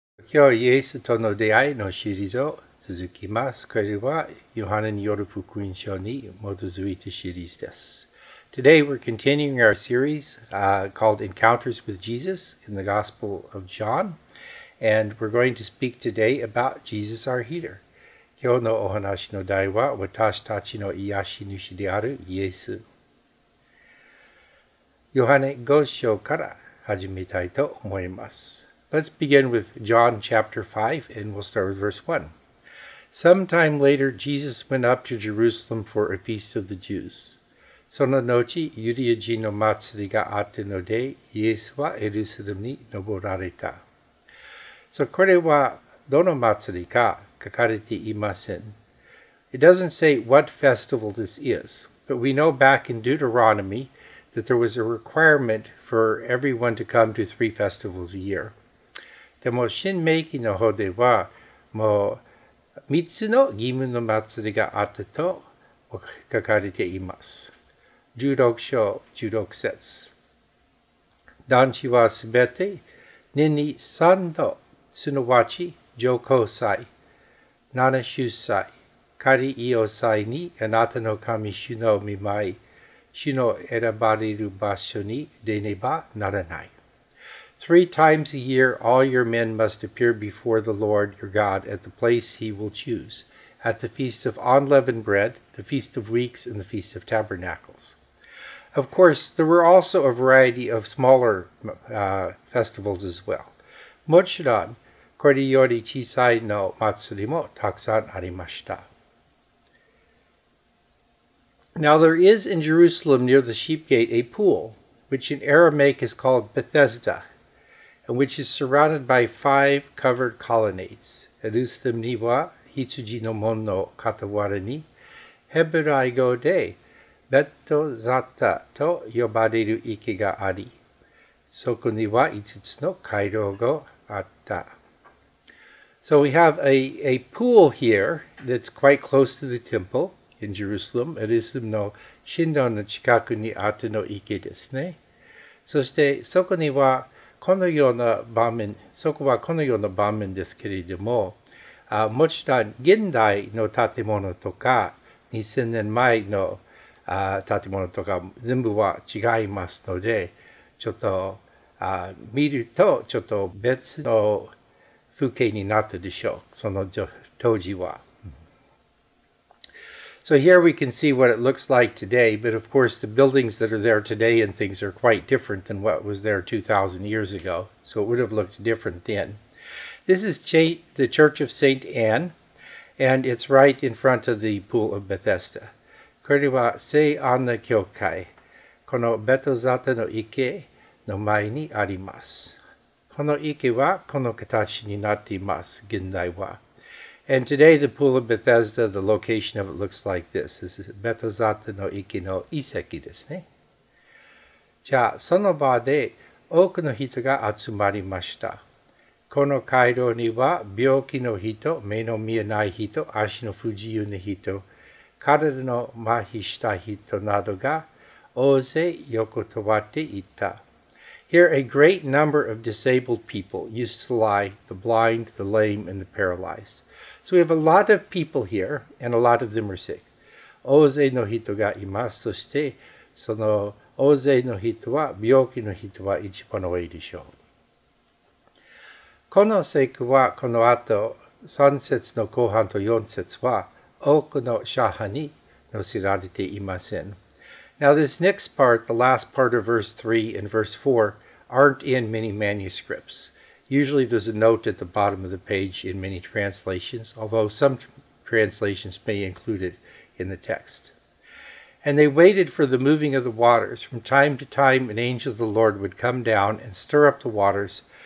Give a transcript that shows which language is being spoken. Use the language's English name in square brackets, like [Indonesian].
[Japanese] 今日イエスとの出会いのシリーズを続きます。これはヨハネによる福音書に基づいたシリーズです。 [English] Today we're continuing our series called Encounters with Jesus in the Gospel of John. And we're going to speak today about Jesus our healer. [Japanese] 今日のお話の題は私たちの癒し主であるイエス。ヨハネ5章から始めたいと思います。 [English] Let's begin with John chapter 5, and we'll start with verse 1. Sometime later, Jesus went up to Jerusalem for a feast of the Jews. [Japanese] その後、ユダヤ人の祭りがあったので、イエスはエルサレムに登られた。 So, これはどの祭りか書かれていません。 [English] It doesn't say what festival this is, but we know back in Deuteronomy that there was a requirement for everyone to come to 3 festivals a year. [Japanese] でも、新命記の方では、もう三つの義務の祭りがあったと書かれています。 16章16節。男子はすべて年に三度、すなわち上皇祭、七州祭、カリイオ祭に、あなたの神主の御前、主の選ばれる場所に出ねばならない。 [English] Three times a year, all your men must appear before the Lord your God at the place he will choose, at the Feast of Unleavened Bread, the Feast of Weeks, and the Feast of Tabernacles. Of course, there were also a variety of smaller festivals as well. [Japanese] もちろん、これより小さいの祭りもたくさんありました。 [English] Now, there is in Jerusalem near the Sheep Gate a pool, which in Aramaic is called Bethesda. And which is surrounded by 5 covered colonnades. [Japanese] エルサレムには羊の門の傍らに、ヘブライ語でベトザタと呼ばれる池があり、そこには5つの回廊があった。 [English] So we have a pool here that's quite close to the temple in Jerusalem. [Japanese] エルサレムの神殿の近くにあっての池ですね。そしてそこにはこのような場面、そこはこのような場面ですけれども、もちろん現代の建物とか2000年前の建物とか全部は違いますので、ちょっと見るとちょっと別の風景になったでしょう、その当時は。 [English] So here we can see what it looks like today, but of course the buildings that are there today and things are quite different than what was there 2,000 years ago. So it would have looked different then. This is the Church of St. Anne, and it's right in front of the Pool of Bethesda. [Japanese] これは聖アンナ教会。このベトザタの池の前にあります。この池はこの形になっています、現代は。 [English] And today, the Pool of Bethesda, the location of it looks like this. This is [Japanese] Bethesda no iki no iseki desu ne. じゃあ、その場で多くの人が集まりました。この回廊には病気の人、目の見えない人、足の不自由な人、体の麻痺した人などが大勢横たわっていた。 [English] Here, a great number of disabled people used to lie, the blind, the lame, and the paralyzed. So we have a lot of people here, and a lot of them are sick. [Japanese] 大勢の人がいます。そして、その大勢の人は、病気の人は一番多いでしょう。この聖句は、この後、3節の後半と4節は、多くの社派に載せられていません。 [English] Now this next part, the last part of verse 3 and verse 4, aren't in many manuscripts. Usually there's a note at the bottom of the page in many translations, although some translations may include it in the text. And they waited for the moving of the waters. From time to time, an angel of the Lord would come down and stir up the waters.